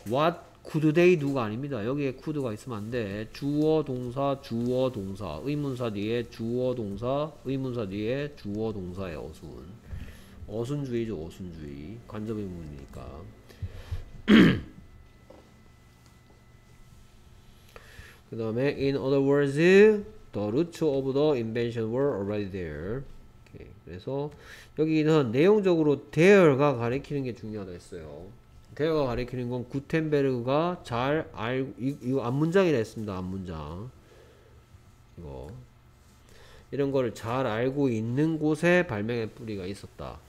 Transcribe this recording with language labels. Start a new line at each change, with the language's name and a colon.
English: What could they do
Korean: 가 아닙니다. 여기에 could가 있으면 안 돼. 주어 동사 주어 동사 의문사 뒤에 주어 동사 의문사 뒤에 주어 동사의 어순. 어순주의죠. 어순주의 간접 의문이니까. 그 다음에
English: in other words, the roots of the invention were already there.
Korean: 그래서 여기는 내용적으로 there가 가리키는 게 중요하다 했어요. there가 가리키는 건 구텐베르그가 잘 알고 이거 앞문장이라 했습니다. 앞문장 이거 이런 거를 잘 알고 있는 곳에 발명의 뿌리가 있었다.